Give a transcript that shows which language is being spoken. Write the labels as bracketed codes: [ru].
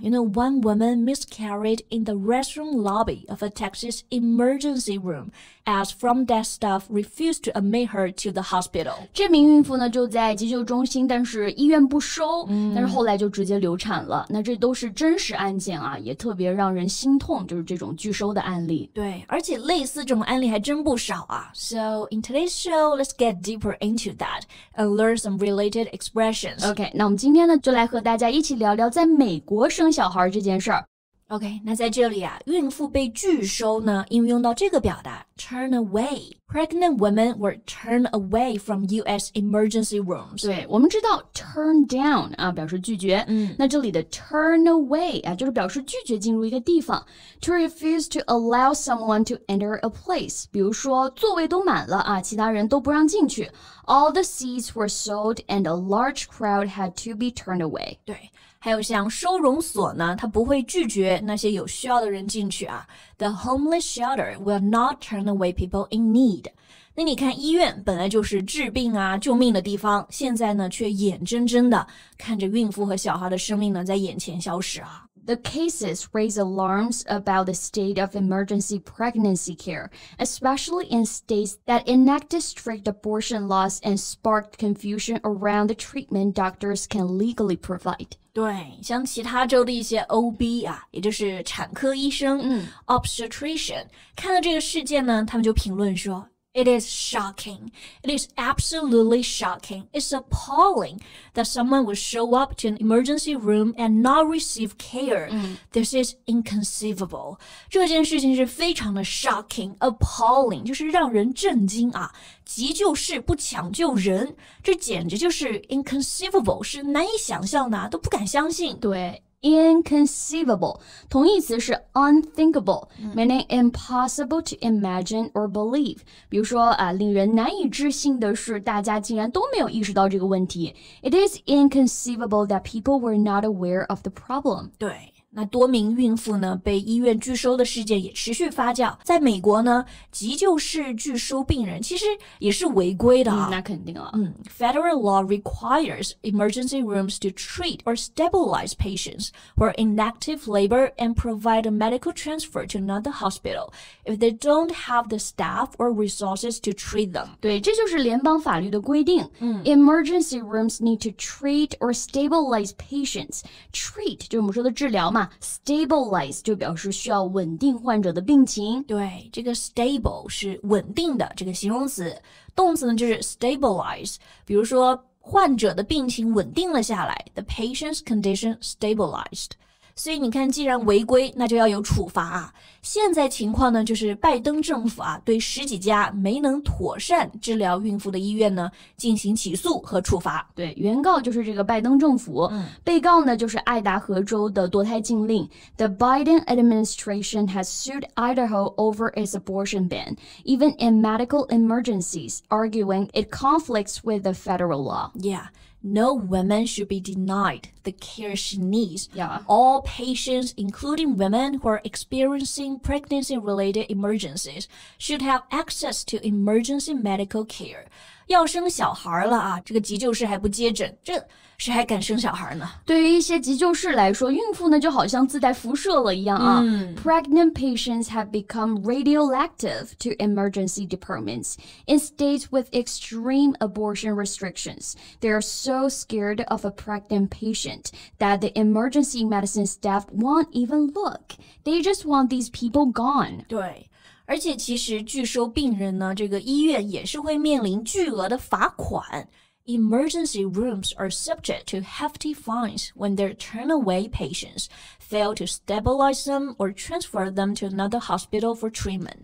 [en] You know, one woman miscarried in the restroom lobby of a Texas emergency room as from desk staff refused to admit her to the hospital. [zh] 这名孕妇呢就在急救中心，但是医院不收、但是后来就直接流产了。那这都是真实案件啊，也特别让人心痛，就是这种拒收的案例。对，而且类似这种案例还真不少啊。 [en] So in today's show, let's get deeper into that and learn some related expressions. [zh] OK, 那我们今天呢就来和大家一起聊聊在美国生小孩这件事儿。 OK, 那在这里啊孕妇被拒收呢应用到这个表达 turn away. [en] Pregnant women were turned away from US emergency rooms. [zh] 对，我们知道 turn down 啊表示拒绝、那这里的 turn away 啊就是表示拒绝进入一个地方。 [en] To refuse to allow someone to enter a place. [zh] 比如说座位都满了啊其他人都不让进去。 [en] All the seats were sold and a large crowd had to be turned away. [zh] 对。还有像收容所呢它不会拒绝那些有需要的人进去啊。 [en] The homeless shelter will not turn away people in need. [zh] 那你看医院本来就是治病啊救命的地方现在呢却眼睁睁的看着孕妇和小孩的生命呢在眼前消失啊。 [en] The cases raise alarms about the state of emergency pregnancy care, especially in states that enacted strict abortion laws and sparked confusion around the treatment doctors can legally provide. [zh] 对，像其他州的一些 OB 啊，也就是产科医生、obstetrician, 看到这个事件呢，他们就评论说 [en] It is shocking. It is absolutely shocking. It's appalling that someone would show up to an emergency room and not receive care.、This is inconceivable. [zh] 这件事情是非常的 shocking, appalling, 就是让人震惊啊。急救室不抢救人，这简直就是 inconceivable, 是难以想象的，都不敢相信。 [en] 对 ,inconceivable, [zh] 同义词是 [en] unthinkable,、meaning impossible to imagine or believe. [zh] 比如说、令人难以置信的是大家竟然都没有意识到这个问题。 [en] It is inconceivable that people were not aware of the problem. [zh] 对。那多名孕妇呢被医院拒收的事件也持续发酵。在美国呢急救室拒收病人其实也是违规的、那肯定了。 [en] Federal law requires emergency rooms to treat or stabilize patients who are in active labor and provide a medical transfer to another hospital if they don't have the staff or resources to treat them. [zh] 对这就是联邦法律的规定。 [en] Emergency rooms need to treat or stabilize patients. [zh] Treat, 就是我们说的治疗Stabilize 就表示需要稳定患者的病情。对，这个 stable 是稳定的这个形容词，动词呢就是 stabilize。比如说，患者的病情稳定了下来 ， [en] the patient's condition stabilized。 [zh] 所以你看，既然违规，那就要有处罚啊。现在情况呢，就是拜登政府啊，对十几家没能妥善治疗孕妇的医院呢，进行起诉和处罚。对，原告就是这个拜登政府，被告呢，就是爱达荷州的堕胎禁令。 [en] The Biden administration has sued Idaho over its abortion ban, even in medical emergencies, arguing it conflicts with the federal law. Yeah. No woman should be denied the care she needs. Yeah. All patients, including women who are experiencing pregnancy-related emergencies, should have access to emergency medical care. [zh] 要生小孩了啊这个急救室还不接诊这谁还敢生小孩呢对于一些急救室来说孕妇呢就好像自带辐射了一样啊。 [en] Pregnant patients have become radioactive to emergency departments in states with extreme abortion restrictions. They are so scared of a pregnant patient that the emergency medicine staff won't even look. They just want these people gone. [zh] 对。而且其实拒收病人呢这个医院也是会面临巨额的罚款。 [en] emergency rooms are subject to hefty fines when they turn away patients, fail to stabilize them, or transfer them to another hospital for treatment.